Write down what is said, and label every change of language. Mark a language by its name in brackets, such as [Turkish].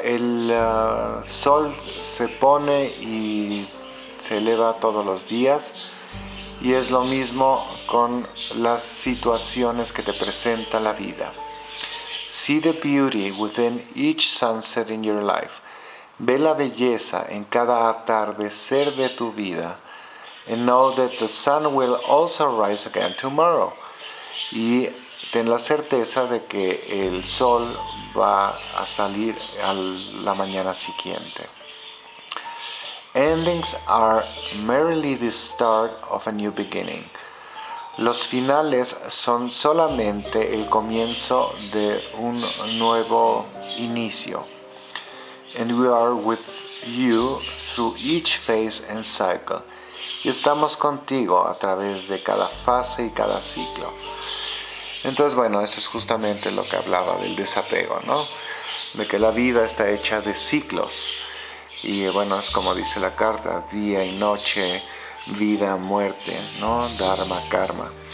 [Spanish] El sol se pone y se eleva todos los días, y es lo mismo con las situaciones que te presenta la vida. [English] See the beauty within each sunset in your life. [Spanish] Ve la belleza en cada atardecer de tu vida. [English] And know that the sun will also rise again tomorrow. [Spanish] Y ten la certeza de que el sol va a salir a la mañana siguiente. [English] Endings are merely the start of a new beginning. [Spanish] Los finales son solamente el comienzo de un nuevo inicio. [English] And we are with you through each phase and cycle. [Spanish] Y estamos contigo a través de cada fase y cada ciclo. Entonces, bueno, eso es justamente lo que hablaba del desapego, ¿no? De que la vida está hecha de ciclos. Y bueno, es como dice la carta, día y noche, vida, muerte, ¿no? Dharma, karma.